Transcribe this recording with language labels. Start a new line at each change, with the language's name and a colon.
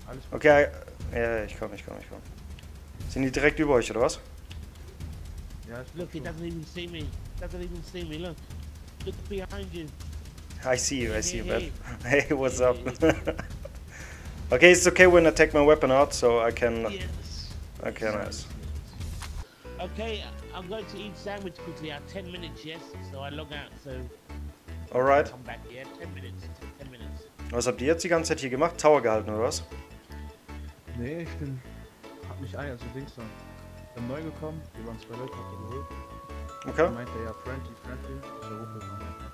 German: Okay, ja, ich komm. Sind die direkt über euch, oder was?
English: Ja, look, he doesn't even see me. Look behind you. I see you, man. Hey, what's up? Okay, it's okay when I take my weapon out, so I can... Yes. Okay, nice. Okay, I'm going to eat sandwich quickly. I have 10 minutes, yes? So I log out, so... Alright. Come back, yeah? 10 minutes.
German: Was habt ihr jetzt die ganze Zeit hier gemacht? Tower gehalten, oder was? Nee, ich bin. Hab mich ein, also Dings dann. Ich bin neu gekommen, wir waren zwei Leute, hab ich geholt. Okay. Dann meinte er ja friendly, also rumgekommen.